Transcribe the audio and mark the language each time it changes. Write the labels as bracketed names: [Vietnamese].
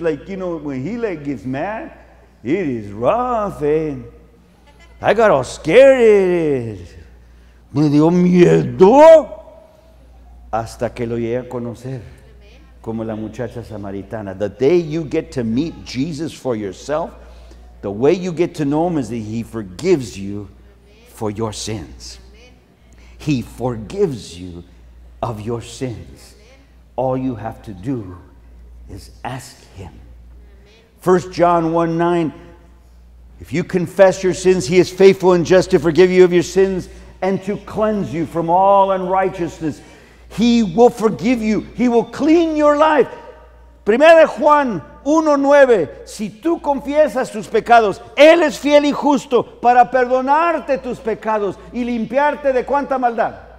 [English] Like, you know, when he like gets mad, it is rough, eh? I got all scared. [Spanish] Me dio miedo hasta que lo llegué a conocer como la muchacha samaritana. [English] The day you get to meet Jesus for yourself, the way you get to know him is that he forgives you for your sins. He forgives you of your sins. All you have to do is ask him. 1 John 1:9, if you confess your sins, he is faithful and just to forgive you of your sins and to cleanse you from all unrighteousness. He will forgive you. He will clean your life. [Spanish] 1 Juan 1:9, si tú confiesas tus pecados, él es fiel y justo para perdonarte tus pecados y limpiarte de ¿cuánta maldad?